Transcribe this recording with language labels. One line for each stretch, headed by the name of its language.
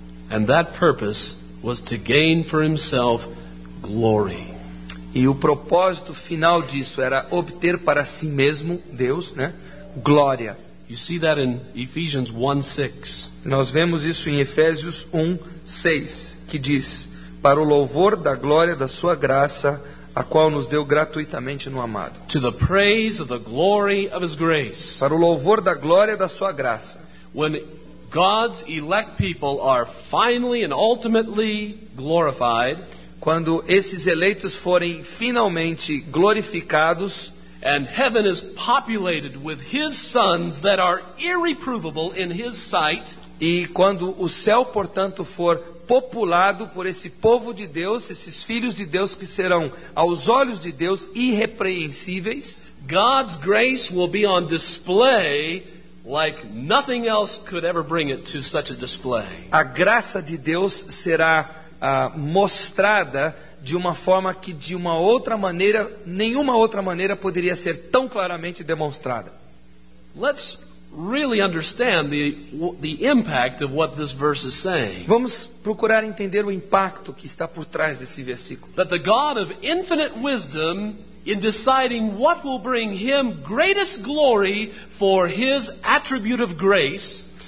English: And that purpose was to gain for himself glory.
Portuguese: E o propósito final disso era obter para si mesmo, Deus, né, glória.
English: You see that in Ephesians 1:6.
Portuguese: Nós vemos isso em Efésios 1:6, que diz: para o louvor da glória da sua graça, a qual nos deu gratuitamente no amado.
English: To the praise of the glory of his grace.
Portuguese: Para o louvor da glória da sua graça.
English: When God's elect people are finally and ultimately glorified,
Portuguese: quando esses eleitos forem finalmente glorificados,
English: and heaven is populated with his sons that are irreprovable in his sight,
Portuguese: e quando o céu, portanto, for populado por esse povo de Deus, esses filhos de Deus que serão aos olhos de Deus irrepreensíveis,
English: God's grace will be on display like nothing else could ever bring it to such a display.
Portuguese: A graça de Deus será mostrada de uma forma que de uma outra maneira, nenhuma outra maneira poderia ser tão claramente demonstrada.
English: Let's really understand the impact of what this verse is saying.
Portuguese: Vamos procurar entender o impacto que está por trás desse versículo.
English: That the God of infinite wisdom in deciding what will bring him greatest glory for his attribute of grace.